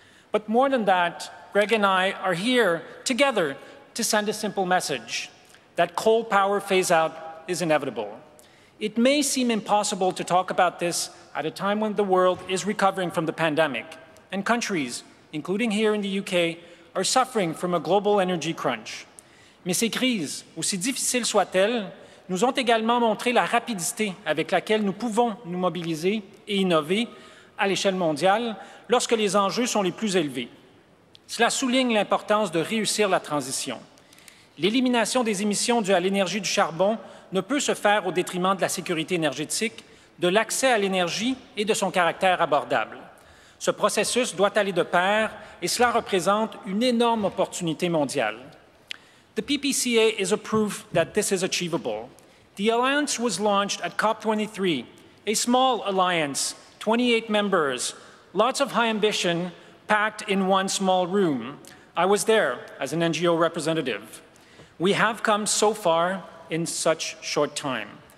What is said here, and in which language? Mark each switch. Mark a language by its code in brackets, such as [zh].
[en] But more than that, Greg and I are here together to send a simple message that coal power phase-out is inevitable. It may seem impossible to talk about this at a time when the world is recovering from the pandemic, and countries, including here in the UK, are suffering from a global energy crunch. [fr] Mais ces crises, aussi difficiles soient-elles, nous ont également montré la rapidité avec laquelle nous pouvons nous mobiliser et innover à l'échelle mondiale lorsque les enjeux sont les plus élevés. Cela souligne l'importance de réussir la transition. L'élimination des émissions dues à l'énergie du charbon ne peut se faire au détriment de la sécurité énergétique, de l'accès à l'énergie et de son caractère abordable. Ce processus doit aller de pair et cela représente une énorme opportunité mondiale. [en] The PPCA is a proof that this is achievable. The alliance was launched at COP23, a small alliance, 28 members, lots of high ambition, packed in one small room. I was there as an NGO representative. We have come so far in such short time.